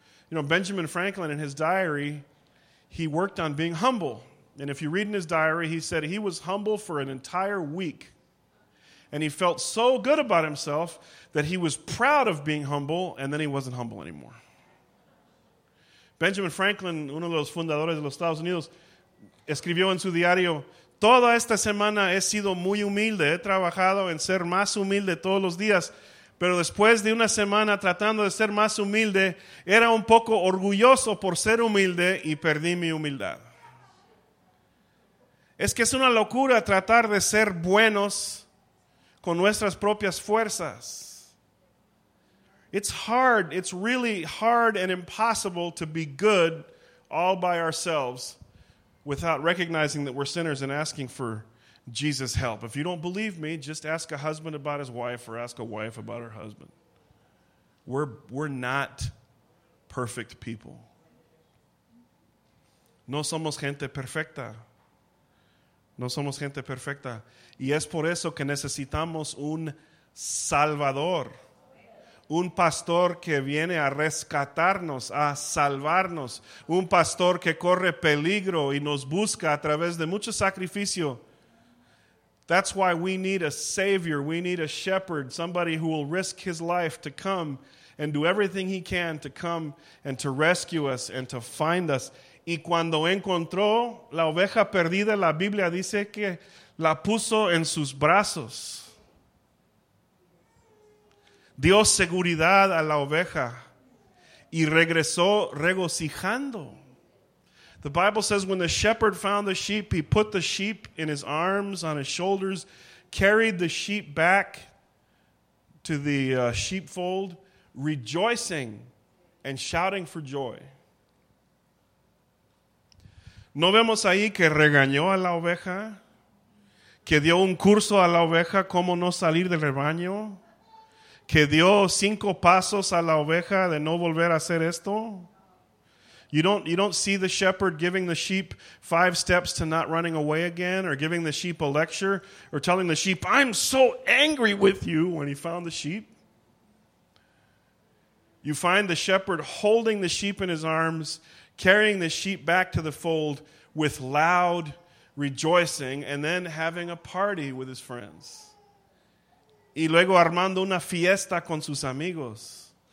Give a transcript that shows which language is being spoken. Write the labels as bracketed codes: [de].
[en] You know, Benjamin Franklin, in his diary, he worked on being humble. And if you read in his diary, he said he was humble for an entire week. And he felt so good about himself that he was proud of being humble, and then he wasn't humble anymore. [es] Benjamin Franklin, uno de los fundadores de los Estados Unidos, escribió en su diario, toda esta semana he sido muy humilde, he trabajado en ser más humilde todos los días, pero después de una semana tratando de ser más humilde, era un poco orgulloso por ser humilde y perdí mi humildad. Es que es una locura tratar de ser buenos con nuestras propias fuerzas. [en] It's hard, it's really hard and impossible to be good all by ourselves without recognizing that we're sinners and asking for Jesus' help. If you don't believe me, just ask a husband about his wife or ask a wife about her husband. We're not perfect people. [es] No somos gente perfecta. No somos gente perfecta. Y es por eso que necesitamos un salvador. Un pastor que viene a rescatarnos, a salvarnos. Un pastor que corre peligro y nos busca a través de mucho sacrificio. [en] That's why we need a savior. We need a shepherd, somebody who will risk his life to come and do everything he can to come and to rescue us and to find us. [es] Y cuando encontró la oveja perdida, la Biblia dice que la puso en sus brazos. Dio seguridad a la oveja y regresó regocijando. [en] The Bible says when the shepherd found the sheep, he put the sheep in his arms, on his shoulders, carried the sheep back to the sheepfold, rejoicing and shouting for joy. [es] ¿No vemos ahí que regañó a la oveja? ¿Que dio un curso a la oveja cómo no salir del rebaño? ¿Que dio cinco pasos a la oveja de no volver a hacer esto? [en] You don't see the shepherd giving the sheep five steps to not running away again, or giving the sheep a lecture, or telling the sheep, I'm so angry with you, when he found the sheep. You find the shepherd holding the sheep in his arms, carrying the sheep back to the fold with loud rejoicing, and then having a party with his friends. [es] Y luego armando una fiesta con sus amigos.